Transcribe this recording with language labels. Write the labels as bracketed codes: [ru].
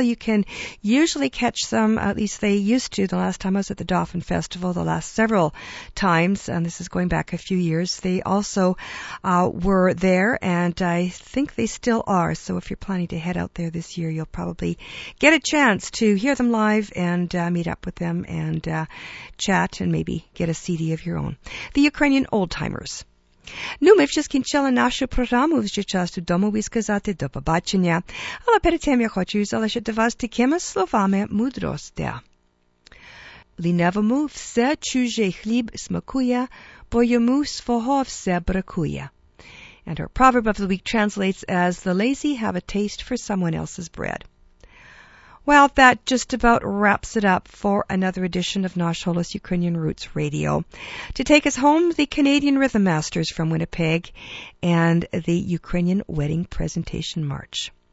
[en] You can usually catch them, at least they used to, the last time I was at the Dauphin Festival, the last several times, and this is going back a few years. They also were there, and I think they still are. So if you're planning to head out there this year, you'll probably get a chance to hear them live and meet up with them and chat and maybe get a CD of your own. The Ukrainian Old Timers. [uk] Ну, ми вже скінчили нашу програму. Вже час додому сказати до побачення. Але перед тим я хочу залишити вас такими словами мудрості. Ліневому все чужий хліб смакує, бо йому свого все бракує. [en] And our proverb of the week translates as, the lazy have a taste for someone else's bread. Well, that just about wraps it up for another edition of Nash Holos Ukrainian Roots Radio. To take us home, the Canadian Rhythm Masters from Winnipeg and the Ukrainian Wedding Presentation March.